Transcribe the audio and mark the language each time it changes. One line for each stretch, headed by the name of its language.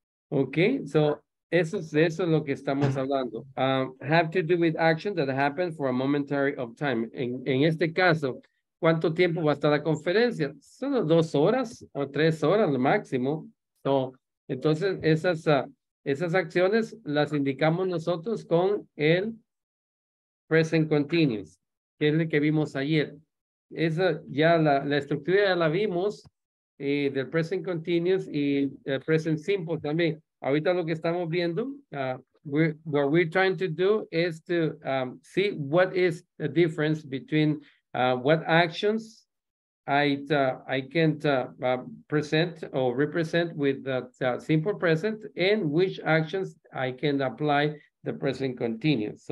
Spanish: Okay, so eso es lo que estamos hablando.
English: Have to do with action that happened for a momentary of time.
Spanish: En este caso, ¿cuánto tiempo va a estar la conferencia? Solo 2 horas o 3 horas lo máximo. So, entonces, esas acciones las indicamos nosotros con el present continuous, que es el que vimos ayer. Esa ya la estructura ya la vimos del present continuous y el present simple también. Ahorita lo que estamos viendo,
English: what we're trying to do is to see what is the difference between what actions I can present or represent with that simple present and which actions I can apply the present continuous.